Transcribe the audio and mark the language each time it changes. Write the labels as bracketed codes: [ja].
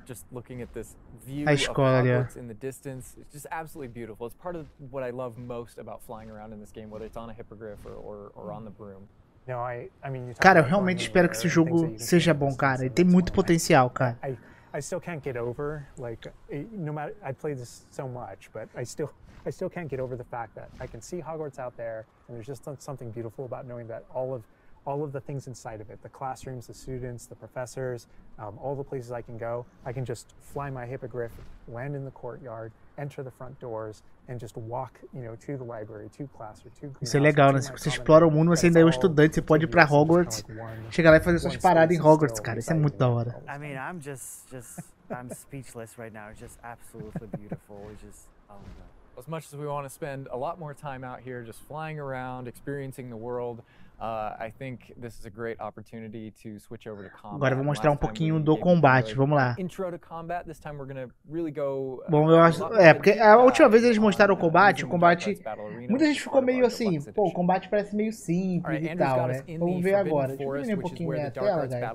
[en] Just looking at this view of Hogwarts in the distance, it's just absolutely beautiful. It's part of what I love most about flying around in this game, whether it's on a hippogriff or on the broom. No, I mean, [pt] cara, eu realmente espero que esse jogo seja bom, cara. Ele tem muito potencial, cara. [en] I still can't get over, like, no matter, I play this so much, but I still can't get over the fact that I can see Hogwarts out there, and there's just something beautiful about knowing that all of the things inside of it, the classrooms, the students, the professors, all the places I can go, I can just fly my hippogriff, land in the courtyard, enter the front doors, and just walk, you know, to the library, to class, or to... [pt] Isso é legal, né? Você explora o mundo, você ainda é um estudante, você pode ir pra Hogwarts, chegar lá e fazer suas paradas em Hogwarts, cara. Isso é muito da hora. [en] I mean, I'm just I'm speechless right now. It's just absolutely beautiful. It's just... As much as we want to spend a lot more time out here just flying around, experiencing the world, I think this is a great opportunity to switch over to combat. [pt] Agora eu vou mostrar um pouquinho do combate, vamos lá. [en] Intro to combat, this time we're gonna really go... [pt] Bom, eu acho, porque a última vez eles mostraram o combate, muita gente ficou meio assim, pô, o combate parece meio simples e tal, né? Vamos ver agora, deixa eu ver um pouquinho minha tela,